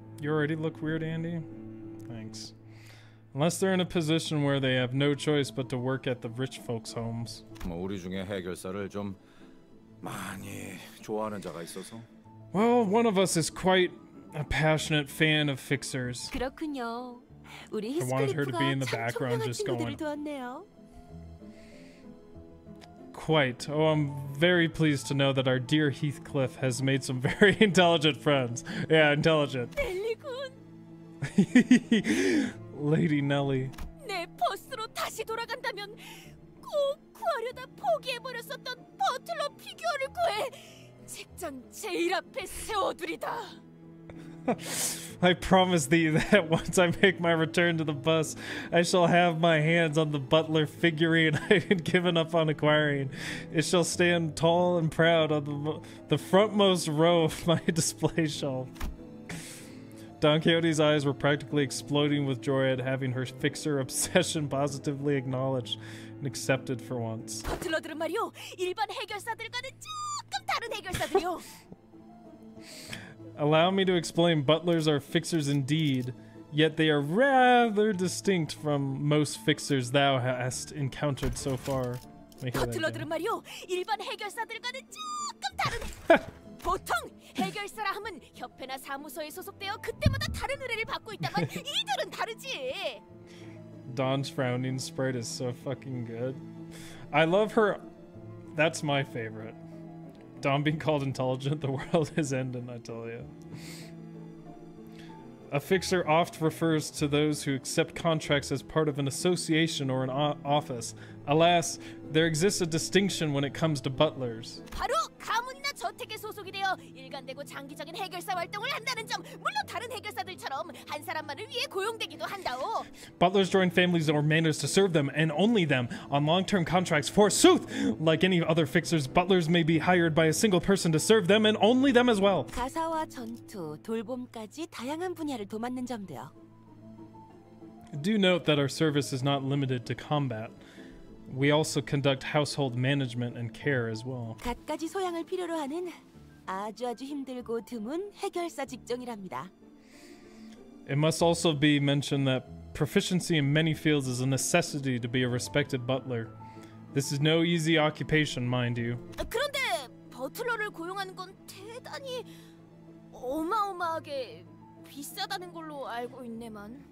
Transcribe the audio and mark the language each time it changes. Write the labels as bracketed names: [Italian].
[English] You already look weird, Andy. Thanks. Unless they're in a position where they have no choice but to work at the rich folks' homes. [Korean] 뭐 우리 중에 해결사를 좀 많이 좋아하는 자가 있어서. [English] Well, one of us is quite a passionate fan of fixers. [Korean] 그렇군요. 우리 [English] I wanted her to be in the background just going. [Korean] 도왔네요. [English] Quite. Oh, I'm very pleased to know that our dear Heathcliff has made some very intelligent friends. Yeah, intelligent. Lady Nelly. [Korean] 내 버스로 다시 돌아간다면 꼭 구하려다 포기해버렸었던 버틀러 피규어를 구해 책장 제일 앞에 세워두리다. [English] I promise thee that once I make my return to the bus, I shall have my hands on the butler figurine I had given up on acquiring. It shall stand tall and proud on the frontmost row of my display shelf. Don Quixote's eyes were practically exploding with joy at having her fixer obsession positively acknowledged and accepted for once. [Korean] 버틀러들은 말이요, 일반 해결사들과는 조금 다른 해결사들이요. [English] Allow me to explain, butlers are fixers indeed, yet they are rather distinct from most fixers thou hast encountered so far. 버틀러들은 말이요, 일반 해결사들과는 조금 다른 보통 해결사라 함은 협회나 사무소에 소속되어 그때마다 다른 의뢰를 받고 있다만 이들은 다르지. Dawn's frowning sprite is so fucking good. I love her. That's my favorite. Dawn being called intelligent, the world is ending, I tell you. A fixer oft refers to those who accept contracts as part of an association or an office. Alas, there exists a distinction when it comes to butlers. [Korean] 바로 가문이나 저택에 소속이 되어 일관되고 장기적인 해결사 활동을 한다는 점. 물론 다른 해결사들처럼 한 사람만을 위해 고용되기도 한다오. [English] Butlers join families or manors to serve them and only them on long-term contracts. Forsooth, like any other fixers, butlers may be hired by a single person to serve them and only them as well. [Korean] 가사와 전투, 돌봄까지 다양한 분야를 도맡는 점도요. [English] Do note that our service is not limited to combat. We also conduct household management and care as well. [Korean] 갖가지 소양을 필요로 하는 아주 아주 힘들고 드문 해결사 직종이랍니다. [English] It must also be mentioned that proficiency in many fields is a necessity to be a respected butler. This is no easy occupation, mind you. [Korean] 그런데 버틀러를 고용하는 건 대단히 어마어마하게 비싸다는 걸로 알고 있네만.